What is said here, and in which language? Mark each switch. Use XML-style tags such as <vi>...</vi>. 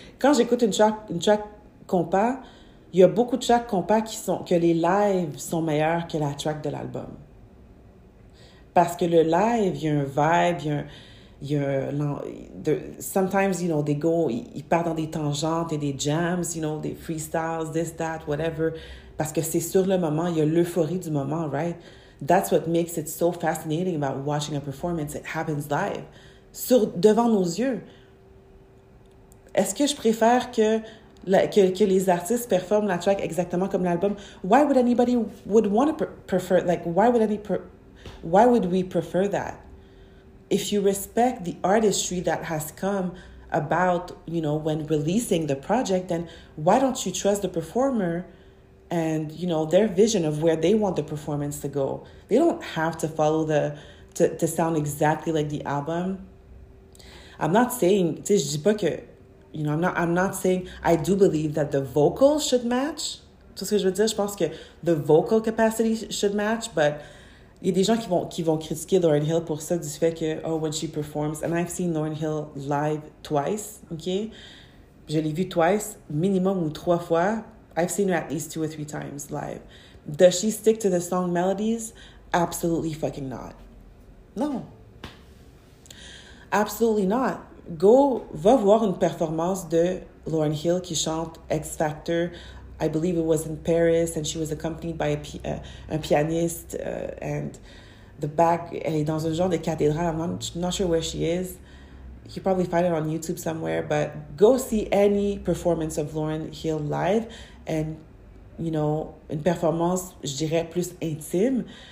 <fr>Quand j'écoute une track compas, il y a beaucoup de tracks compas que les lives sont meilleurs que la track de l'album. Parce que le live, il y a un vibe,</fr> <en>sometimes, you know, they go,</en> <fr>ils partent dans des tangentes et des jams, you know, des freestyles,</fr> <en>this, that, whatever.</en> <fr>Parce que c'est sur le moment, il y a l'euphorie du moment, right?</fr> <en>That's what makes it so fascinating about watching a performance. It happens live.</en> <fr>Sur, devant nos yeux. Est-ce que je préfère que les artistes performent la track exactement comme l'album?</fr> <en>Why would anybody would want to prefer, like, why would we prefer that? If you respect the artistry that has come about, you know, when releasing the project, then why don't you trust the performer and, you know, their vision of where they want the performance to go? They don't have to follow to sound exactly like the album. I'm not saying,</en> <fr>tu sais, je dis pas que,</fr> <en>you know, I'm not saying, I do believe that the vocals should match.</en> <fr>Tu sais ce que je veux dire? Je pense que</fr> <en>the vocal capacity should match,</en> <fr>but il y a des gens qui vont critiquer Lauryn Hill pour ça, du fait que,</fr> <en>oh, when she performs, and I've seen Lauryn Hill live twice, okay?</en> <fr>Je l'ai vue twice, minimum ou trois fois.</fr> <en>I've seen her at least two or three times live. Does she stick to the song melodies? Absolutely fucking not. No. Absolutely not.</en> <fr>Va voir une performance de Lauryn Hill qui chante X Factor.</fr> <en>I believe it was in Paris, and she was accompanied by a pianist, and the back,</en> <fr>elle est dans un genre de cathédrale.</fr> <en>I'm not sure where she is. You can probably find it on YouTube somewhere, but go see any performance of Lauryn Hill live, and, you know,</en> <fr>une performance, je dirais, plus intime.</fr>